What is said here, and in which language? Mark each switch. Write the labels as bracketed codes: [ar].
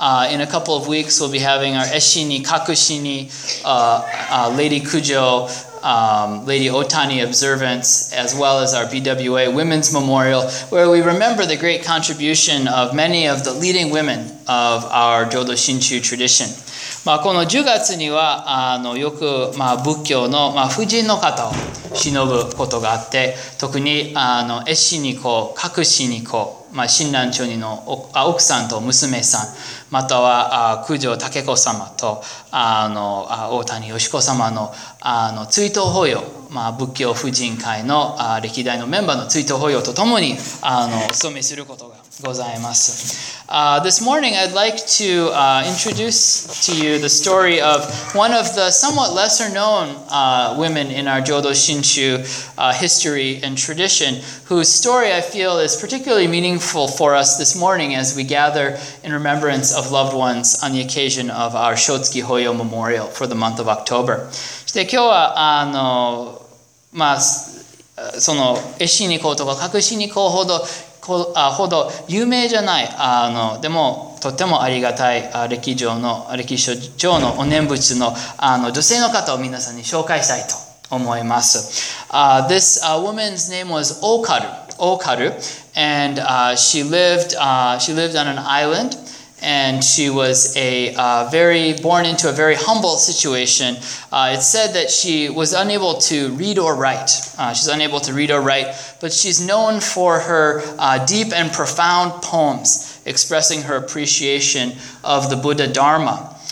[en] In a couple of weeks, we'll be having our Eshini Kakushini, Lady Kujo, Lady Otani observance, as well as our BWA Women's Memorial, where we remember the great contribution of many of the leading women of our Jodo Shinshu tradition. [ja] この10月にはよく仏教の婦人の方を忍ぶことがあって、特に絵師に子、各師に子、親鸞町人の奥さんと娘さん、または九条武子様と大谷義子様 の追悼法要、仏教婦人会の歴代のメンバーの追悼法要とともにお勤めすることがございます。 [en] This morning I'd like to introduce to you the story of one of the somewhat lesser known women in our Jodo Shinshu history and tradition, whose story I feel is particularly meaningful for us this morning as we gather in remembrance of loved ones on the occasion of our Shotsuki Hoyo Memorial for the month of October. [ja] で、今日はその絵師に行こうとか隠しに行こうほどほど有名じゃない、でもとてもありがたい歴史上のお念仏 の女性の方を皆さんに紹介したいと思います。 [en] This woman's name was Okaru. Okaru, and she lived on an island, and she was born into a very humble situation. It's said that she was unable to read or write. She's unable to read or write, but she's known for her deep and profound poems expressing her appreciation of the Buddha Dharma.